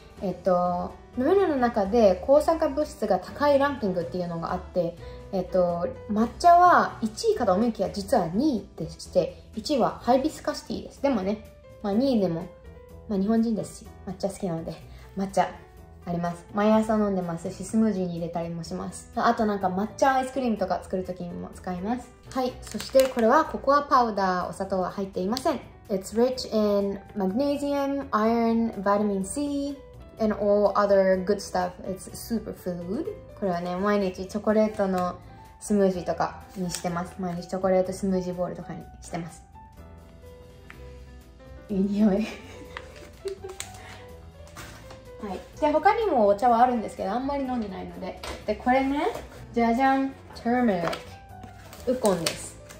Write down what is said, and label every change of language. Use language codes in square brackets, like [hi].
[ja] 飲み物の中で抗酸化物質が高いランキングっていうのがあって、抹茶は1位かと思いきや実は2位でして、1位はハイビスカスティーです。でもね、まあ、2位でも、まあ、日本人ですし抹茶好きなので抹茶あります。毎朝飲んでますし、スムージーに入れたりもします。あとなんか抹茶アイスクリームとか作るときにも使います。はい、そしてこれはココアパウダー、お砂糖は入っていません。 [en] It's rich in magnesium, iron, vitamin C and all other good stuff. It's super food. [ja] これはね、毎日チョコレートのスムージーとかにしてます。毎日チョコレートスムージーボールとかにしてます。いい匂いはい、で他にもお茶はあるんですけど、あんまり飲んでないので、でこれね、じゃじゃん、ターメリック、ウコンです。